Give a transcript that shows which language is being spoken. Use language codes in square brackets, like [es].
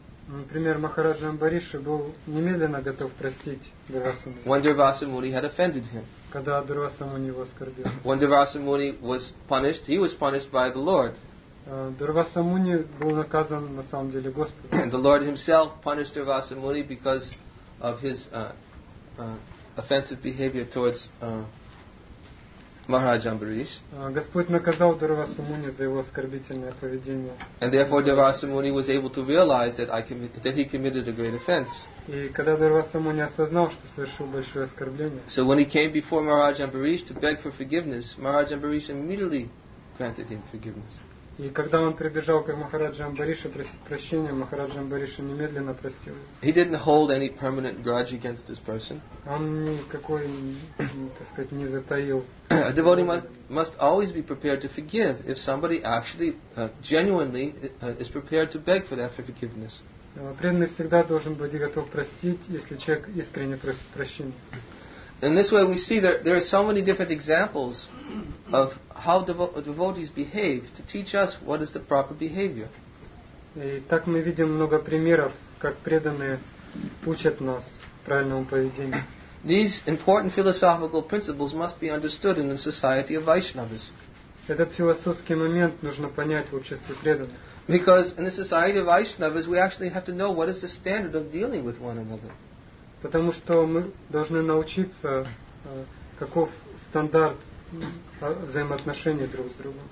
[ru] Например, Махараджа Амбариша был немедленно готов простить Дурвасу Муни. [en] When Дурвасу Муни had offended him. [ru] Когда Дурваса Муни его оскорбил. [en] When Durvasa Muni was punished, he was punished by the Lord. [ru] Дурваса Муни был наказан на самом деле Господом. [en] The Lord himself punished Durvasa Muni because of his offensive behavior towards Maharaj Ambarish. [ru] Господь наказал Дурваса Муни за его оскорбительное поведение. [en] And therefore Durvasa Muni was able to realize that he committed a great offense. [ru] И когда Дурваса Муни осознал, что совершил большое оскорбление. [en] So when he came before Maharaj Ambarish to beg for forgiveness, Maharaj Ambarish immediately granted him forgiveness. [ru] И когда он прибежал к Махараджу Амбаришу просить прощения, Махарадж Амбариш немедленно простил его. [en] He didn't hold any permanent grudge against this person. [ru] Он никакой, так сказать, не затаил. [en] A devotee must always be prepared to forgive if somebody actually genuinely is prepared to beg for that forgiveness. [ru] Преданный всегда должен быть готов простить, если человек искренне просит прощения. [en] In this way, we see that there are so many different examples of how devotees behave to teach us what is the proper behavior. [ru] И так мы видим много примеров, как преданные учат нас правильному поведению. [en] These important philosophical principles must be understood in the society of Vaishnavas. [ru] Этот философский момент нужно понять в обществе преданных. [en] Because in the society of Vaishnavas, we actually have to know what is the standard of dealing with one another. [ru] Потому что мы должны научиться, каков стандарт взаимоотношений друг с другом.